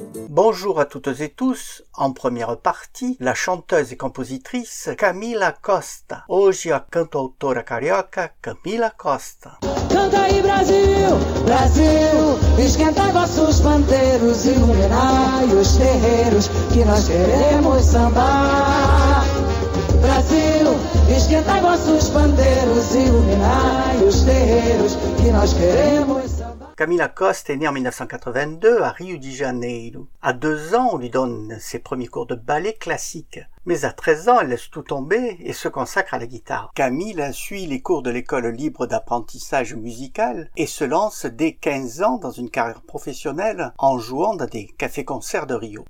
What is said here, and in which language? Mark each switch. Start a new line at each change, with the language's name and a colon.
French: Bonjour à toutes et tous. En première partie, la chanteuse et compositrice Camila Costa.
Portuguese: Hoje a cantautora carioca Camila Costa. Canta aí Brasil, Brasil, esquenta vossos panteiros, iluminai os terreiros que nós queremos sambar. Brasil, esquenta vossos panteiros, iluminai os terreiros que nós queremos sambar.
French: Camila Costa est née en 1982 à Rio de Janeiro. À 2 ans, on lui donne ses premiers cours de ballet classique. Mais à 13 ans, elle laisse tout tomber et se consacre à la guitare. Camila suit les cours de l'école libre d'apprentissage musical et se lance dès 15 ans dans une carrière professionnelle en jouant dans des cafés-concerts de Rio.